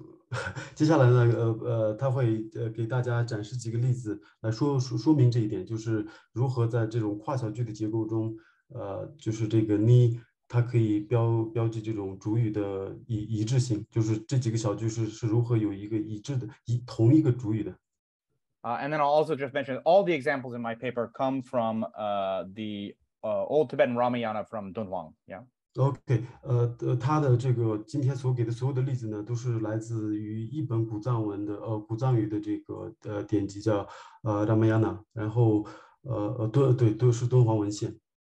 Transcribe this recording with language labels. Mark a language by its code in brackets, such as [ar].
[zh] And 接下来呢，他会给大家展示几个例子来说明这一点，就是如何在这种跨小句的结构中。就是这个呢，它可以标记这种主语的一致性，就是这几个小句是如何有一个一致的同一个主语的。 [en] And then I'll also just mention all the examples in my paper come from Old Tibetan Rāmāyaṇa from Dunhuang. Yeah. Okay. [zh] 他的这个今天所给的所有的例子呢，都是来自于一本古藏文的古藏语的这个典籍叫Rāmāyaṇa， 然后都是敦煌文献。